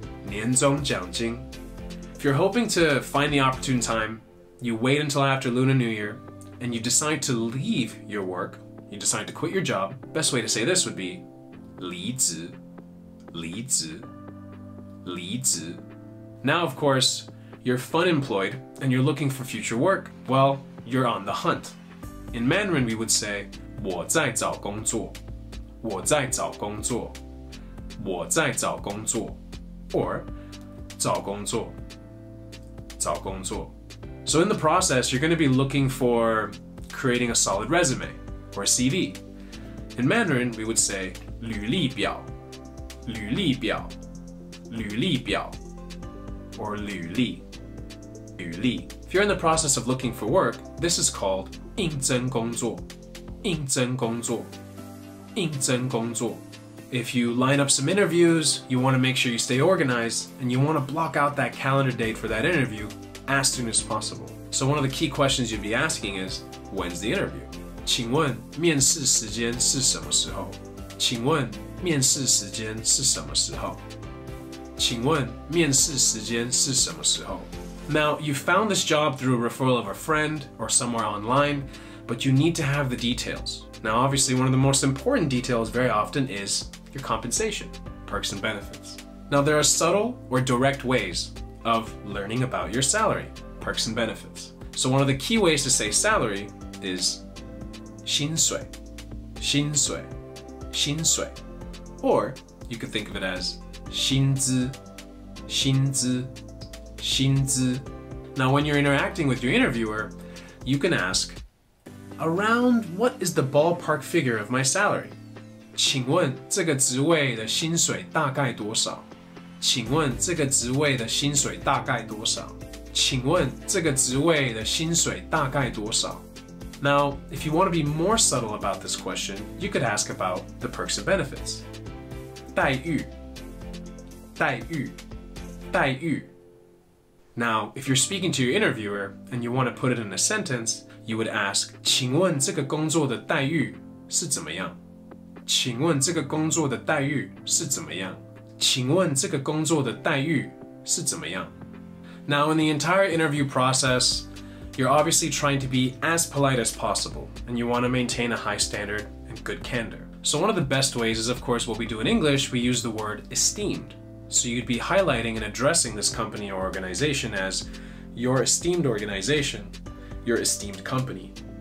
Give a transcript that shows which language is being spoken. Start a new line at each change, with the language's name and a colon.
English: Nianzong Jiangjing. If you're hoping to find the opportune time, you wait until after Lunar New Year, and you decide to leave your work, you decide to quit your job, best way to say this would be Li Zi, Li Zi, Li Zi. Now, of course, you're fun employed and you're looking for future work. Well, you're on the hunt. In Mandarin, we would say
Chinese: 我在找工作, 我在找工作, 我在找工作. Or 找工作, 找工作.
English: So in the process, you're going to be looking for creating a solid resume or a CV. In Mandarin, we would say
Chinese: 履历表, 履历表, 履历表,
English: or 履历, 履历. If you're in the process of looking for work, this is called
Chinese: 应征工作, 应征工作, 应征工作.
English: If you line up some interviews, you want to make sure you stay organized, and you want to block out that calendar date for that interview as soon as possible. So one of the key questions you'd be asking is, when's the interview?
Chinese: 请问面试时间是什么时候?请问面试时间是什么时候? 请问面试时间是什么时候?
English: Now, you found this job through a referral of a friend or somewhere online, but you need to have the details. Now, obviously, one of the most important details very often is your compensation, perks and benefits. Now there are subtle or direct ways of learning about your salary, perks and benefits. So one of the key ways to say salary is
Chinese: 薪水, 薪水, 薪水.
English: Or you could think of it as
Chinese: 薪资, 薪资, 薪资.
English: Now when you're interacting with your interviewer, you can ask, around what is the ballpark figure of my salary?
Chinese: 请问这个职位的薪水大概多少?请问这个职位的薪水大概多少? 请问这个职位的薪水大概多少?
English: Now, if you want to be more subtle about this question, you could ask about the perks and benefits.
Chinese: 待遇, 待遇, 待遇.
English: Now, if you're speaking to your interviewer and you want to put it in a sentence, you would ask,
Chinese: 请问这个工作的待遇是怎么样? 请问这个工作的待遇是怎么样?请问这个工作的待遇是怎么样?
English: Now, in the entire interview process, you're obviously trying to be as polite as possible, and you want to maintain a high standard and good candor. So one of the best ways is, of course, what we do in English, we use the word esteemed. So you'd be highlighting and addressing this company or organization as your esteemed organization, your esteemed company.